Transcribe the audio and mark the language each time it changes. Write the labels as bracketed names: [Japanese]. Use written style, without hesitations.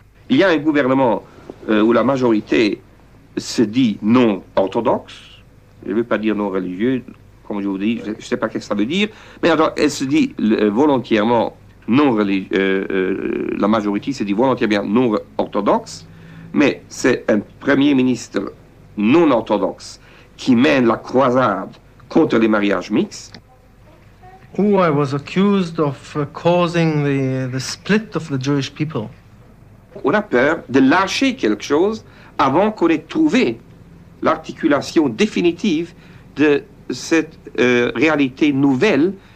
[French] Il y a un gouvernement où la majorité se dit non orthodoxe, je ne veux pas dire non religieux, comme je vous dis, je ne sais pas ce que ça veut dire, mais alors elle se dit volontairement non religieux, la majorité se dit volontairement non orthodoxe, mais c'est un premier ministre non orthodoxe qui mène la croisade contre les mariages mixtes. [English] Oh, I was accused of causing the split of the Jewish people. [French] On a peur de lâcher quelque chose avant qu'on ait trouvé l'articulation définitive de cette réalité nouvelle